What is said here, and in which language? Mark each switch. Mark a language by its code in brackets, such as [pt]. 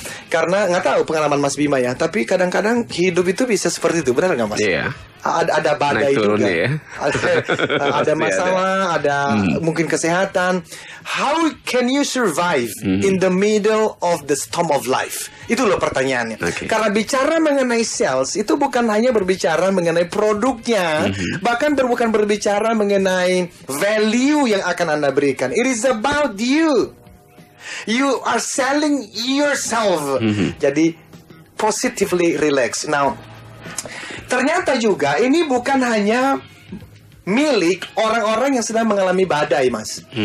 [id] Karena nggak tahu pengalaman Mas Bima ya, tapi kadang-kadang hidup itu bisa seperti itu, benar nggak Mas? Iya. Ada badai juga. Ada masalah, ada mungkin kesehatan. [en] How can you survive in the middle of the storm of life? [id] Itu loh pertanyaannya. [en] Okay. [id] Karena bicara mengenai sales itu bukan hanya berbicara mengenai produknya, bahkan bukan berbicara mengenai value yang akan Anda berikan. [en] It is about you. You are selling yourself. [id] Jadi [en] positively relax. [id] Now, ternyata juga ini bukan hanya milik orang-orang yang sedang mengalami badai, Mas.